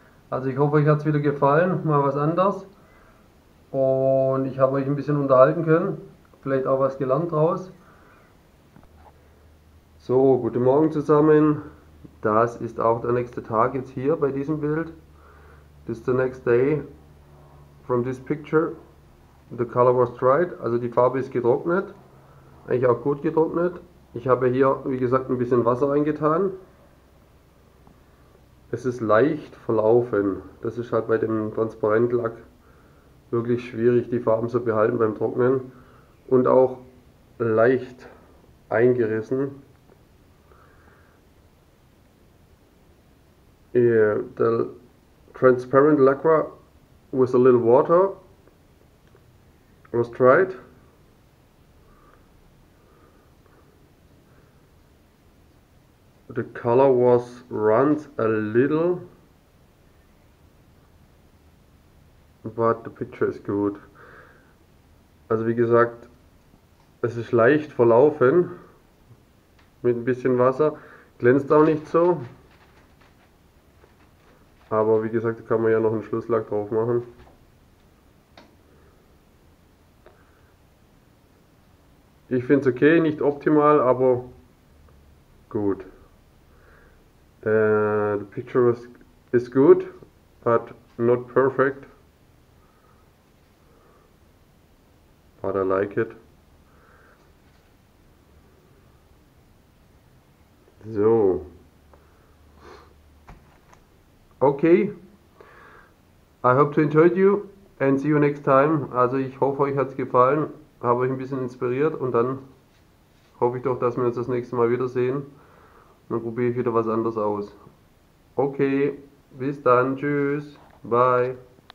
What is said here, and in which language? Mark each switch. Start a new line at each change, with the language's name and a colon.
German: Also ich hoffe, euch hat es wieder gefallen, mal was anders. Und ich habe euch ein bisschen unterhalten können, vielleicht auch was gelernt draus. So, guten Morgen zusammen. Das ist auch der nächste Tag jetzt hier bei diesem Bild.
English: This is the next day from this picture. The color was dried,
German: also die Farbe ist getrocknet. Eigentlich auch gut getrocknet. Ich habe hier, wie gesagt, ein bisschen Wasser reingetan. Es ist leicht verlaufen. Das ist halt bei dem Transparentlack wirklich schwierig, die Farben zu behalten beim Trocknen. Und auch leicht eingerissen.
English: Yeah, the transparent lacquer with a little water was tried. The color was runs a little, but the picture is good.
German: Also wie gesagt, es ist leicht verlaufen mit ein bisschen Wasser, glänzt auch nicht so. Aber wie gesagt, da kann man ja noch einen Schlusslack drauf machen. Ich finde es okay, nicht optimal, aber gut.
English: The picture is good, but not perfect. But I like it. So. Okay. I hope to enjoy you and see you next time.
German: Also ich hoffe, euch hat es gefallen, habe euch ein bisschen inspiriert und dann hoffe ich doch, dass wir uns das nächste Mal wiedersehen. Dann probiere ich wieder was anderes aus. Okay, bis dann. Tschüss. Bye.